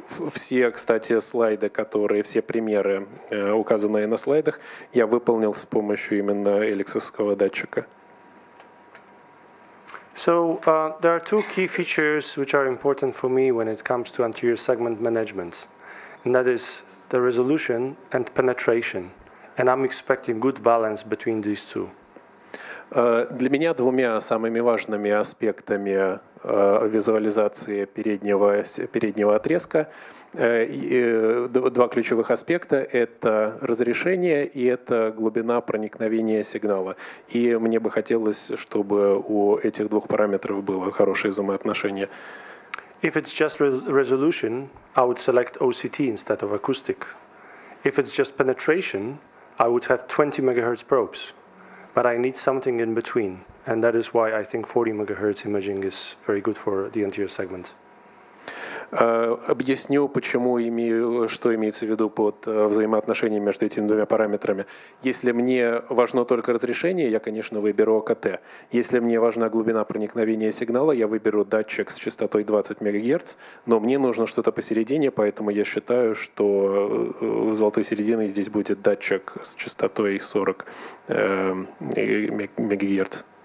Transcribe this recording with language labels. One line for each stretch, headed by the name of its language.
Russian: Все, кстати, слайды, которые, все примеры, указанные на слайдах, я выполнил с помощью именно эликсовского датчика.
English: So there are two key features which are important for me when it comes to anterior segment management, and that is the resolution and penetration. And I'm expecting good balance between these two.
Russian: Для меня двумя самыми важными аспектами визуализации переднего отрезка два ключевых аспекта – это разрешение и это глубина проникновения сигнала. И мне бы хотелось, чтобы у этих двух параметров было хорошее взаимоотношение.
English: If it's just resolution, I would select OCT instead of acoustic. If it's just penetration, I would have 20 MHz probes. But I need something in between, and that is why I think 40 MHz imaging is very good for the anterior segment.
Russian: Объясню, почему что имеется в виду под взаимоотношением между этими двумя параметрами. Если мне важно только разрешение, я, конечно, выберу ОКТ. Если мне важна глубина проникновения сигнала, я выберу датчик с частотой 20 МГц, но мне нужно что-то посередине, поэтому я считаю, что золотой серединой здесь будет датчик с частотой 40 МГц.